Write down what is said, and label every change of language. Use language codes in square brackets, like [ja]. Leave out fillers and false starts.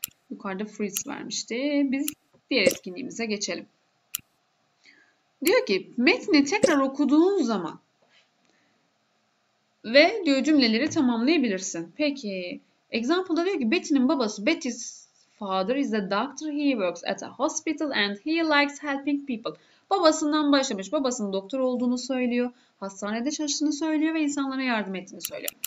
[tr] Yukarıda fruits vermişti. Biz diğer etkinliğimize geçelim. Diyor ki metni tekrar okuduğun zaman ve diyor cümleleri tamamlayabilirsin. Peki. Example'da diyor ki Betty'nin babası, [en] Betty's father is a doctor. He works at a hospital and he likes helping people. [tr] Babasından başlamış. Babasının doktor olduğunu söylüyor. Hastanede çalıştığını söylüyor ve insanlara yardım ettiğini söylüyor.